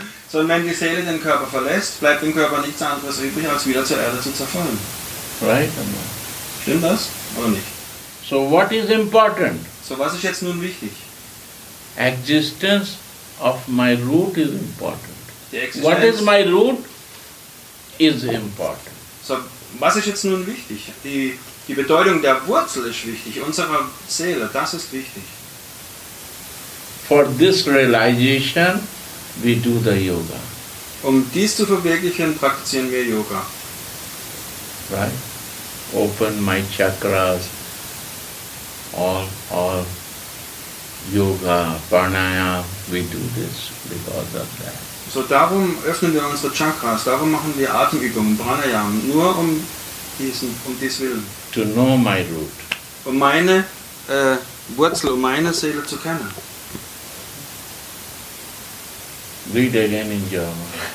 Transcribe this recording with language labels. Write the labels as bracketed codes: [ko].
[de] So wenn die Seele den Körper verlässt, bleibt dem Körper nichts anderes übrig, als wieder zur Erde zu zerfallen. [en] Right? [de] Stimmt das? Oder nicht? [en] So what is important? [de] So was ist jetzt nun wichtig? [en] Existence of my root is important. What is my root is important. [de] So, was ist jetzt nun wichtig? Die Bedeutung der Wurzel ist wichtig, unserer Seele, das ist wichtig. [en] For this realization, we do the yoga. [de] Um dies zu verwirklichen, praktizieren wir Yoga. [en] Right? Open my chakras, all. Yoga, Pranayama, we do this because of that. [de] So darum öffnen wir unsere Chakras, darum machen wir Atemübungen, Pranayama, nur um dies Willen. [en] To know my root. [de] Um meine Wurzel, um meine Seele zu kennen. [en] Read again in German.